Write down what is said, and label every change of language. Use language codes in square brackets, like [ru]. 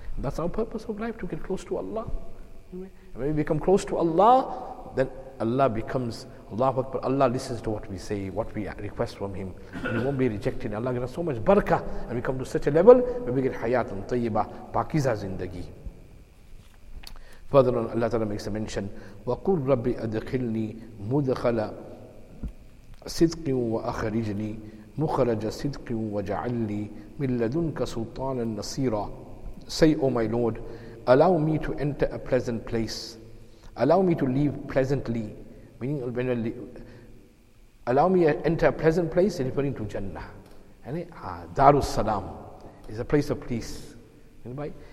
[en] And that's our purpose of life, to get close to Allah. And when we become close to Allah, then Allah becomes Allahu Akbar. Allah listens to what we say, what we request from Him. We won't be rejected. Allah gives us so much barakah, and we come to such a level where we get hayatun tayyiba, [ur] pakiza zindagi. [en] Further on, Allah Ta'ala makes a mention, [ar] وَقُلْ رَبِّ أَدْخِلْنِي مُدْخَلَ صِدْقٍ وَأَخْرِجْنِي مُخْرَجَ صِدْقٍ وَجَعَلْنِي مِنْ لَدُنْكَ سُلْطَانًا نَصِيرًا. [en] Say, O my Lord, allow me to enter a pleasant place. Allow me to leave pleasantly. Meaning, when allow me to enter a pleasant place, referring to Jannah. Darus Salam is a place of peace. Anybody?